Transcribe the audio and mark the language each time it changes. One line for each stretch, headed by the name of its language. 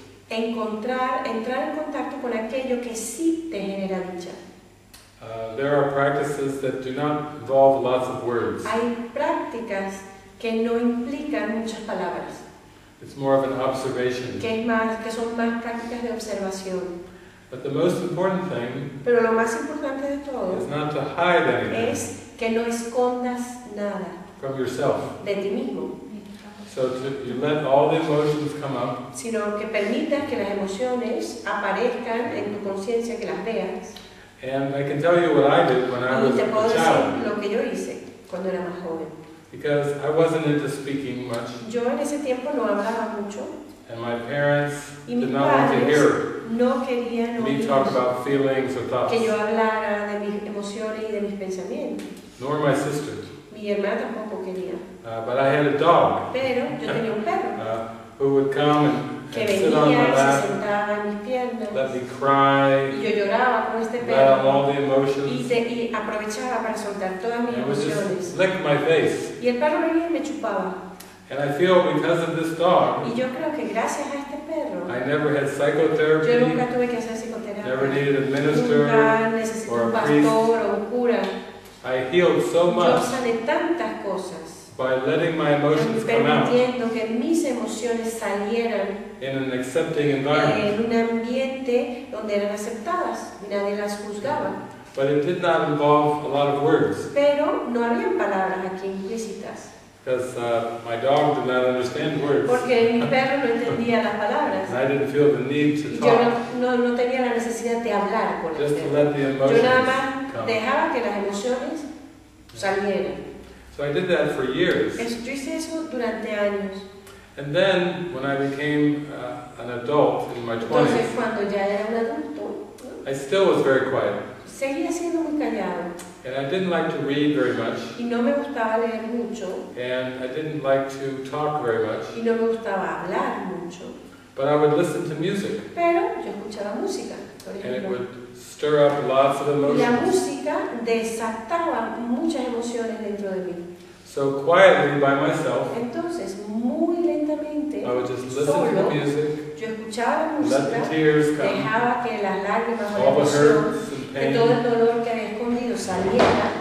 Spanish: Encontrar, entrar en contacto con aquello que sí te genera dicha.
English: There are practices that do not involve lots of words.
Spanish: Hay prácticas que no implican muchas palabras.
English: It's more of an observation.
Spanish: Que es más, que son más prácticas de observación.
English: But the most important thing
Spanish: Pero lo más importante de todo
English: is not to hide anything
Spanish: es que no escondas nada
English: from yourself.
Spanish: De ti mismo.
English: So you let all the emotions come up.
Spanish: Sino que permitas que las emociones aparezcan en tu conciencia, que las veas.
English: And I can tell you what I did when I was a child.
Spanish: Y te puedo decir lo que yo hice cuando era más joven.
English: Because I wasn't into speaking much.
Spanish: Yo en ese tiempo no hablaba mucho.
English: And my parents
Spanish: y mis
English: did not want to hear
Spanish: no querían
English: me talk about feelings or thoughts.
Spanish: Que yo hablara de mis emociones y de mis pensamientos.
English: Nor my sister.
Spanish: Mi hermana tampoco quería.
English: But I had a dog.
Spanish: Pero yo tenía un perro.
English: Who would come and
Spanish: que
English: sit
Spanish: venía,
English: on my lap,
Spanish: se sentaba en mis piernas.
English: Let me cry.
Spanish: Y yo lloraba con este perro.
English: Let out all the emotions.
Spanish: Y aprovechaba para soltar todas mis emociones.
English: And just lick my face.
Spanish: Y el perro venía y me chupaba.
English: And I feel because of this dog.
Spanish: Y yo creo que gracias a este perro.
English: I never had psychotherapy.
Spanish: Yo nunca tuve que hacer psicoterapia.
English: Never needed a minister or a priest.
Spanish: Un pastor o un cura.
English: I healed so much.
Spanish: Yo sané tantas cosas.
English: By letting my emotions come out.
Spanish: Permitiendo que mis emociones salieran.
English: In an accepting environment.
Spanish: En un ambiente donde eran aceptadas y nadie las juzgaba.
English: But it did not involve a lot of words.
Spanish: Pero no había palabras aquí implícitas.
English: Because my dog did not understand words.
Spanish: Porque mi perro no entendía las palabras.
English: And I didn't feel the need to talk.
Spanish: Yo no tenía la necesidad de hablar con él.
English: Just to let the emotions come.
Spanish: Yo nada más dejaba que las emociones salieran.
English: So I did that for years.
Spanish: Yo hice eso durante años.
English: And then when I became an adult in my 20s.
Spanish: Entonces cuando ya era un adulto.
English: I still was very quiet.
Spanish: Seguía siendo muy callado.
English: And I didn't like to read very much.
Spanish: Y no me gustaba leer mucho.
English: And I didn't like to talk very much.
Spanish: Y no me gustaba hablar mucho.
English: But I would listen to music.
Spanish: Pero yo escuchaba música.
English: And it would stir up lots of emotions.
Spanish: La música desataba muchas emociones dentro de mí.
English: So quietly by myself.
Spanish: Entonces, muy lentamente,
English: I would just listen
Spanish: solo,
English: to the music.
Spanish: Yo escuchaba música.
English: Let the tears come.
Spanish: Dejaba que las lágrimas
English: All
Spanish: la
English: the hurts.
Spanish: Que todo el dolor que había escondido saliera.